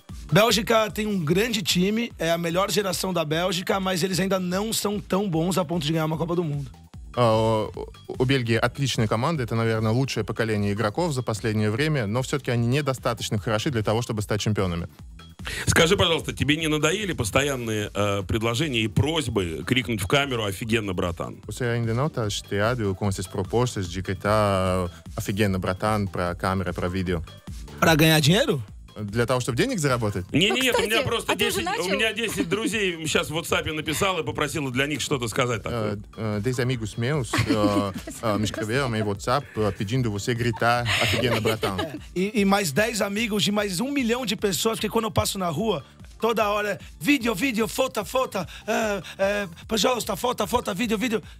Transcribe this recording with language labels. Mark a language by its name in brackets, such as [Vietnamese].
[Portuguese] Bélgica tem um grande time, é a melhor geração da Bélgica, mas eles ainda não são tão bons a ponto de ganhar uma Copa do Mundo. O [Russian] Бельгии отличная команда, это, наверное, лучшее поколение игроков за последнее время, но все-таки они недостаточно хороши для того, чтобы стать чемпионами. Скажи, пожалуйста, тебе не надоели постоянные предложения и просьбы крикнуть в камеру «офигенно, братан»? [Portuguese] Você ainda não está chateado com essas propostas de gritar [Russian] «офигенно, братан» про камеру, про видео? [Portuguese] Para ganhar dinheiro? [Russian] Для того, чтобы денег заработать? Нет, у меня просто 10 друзей сейчас в WhatsApp написал и попросил для них что-то сказать такое. [Portuguese] Dez amigos meus me escreveram em WhatsApp pedindo você gritar [Russian] офигенно, братан. И [Portuguese] mais 10 amigos de mais 1 milhão de pessoas, que quando eu passo na rua, toda hora, vídeo, vídeo, foto, foto, [Russian] пожалуйста, [Portuguese] foto, foto, vídeo, vídeo.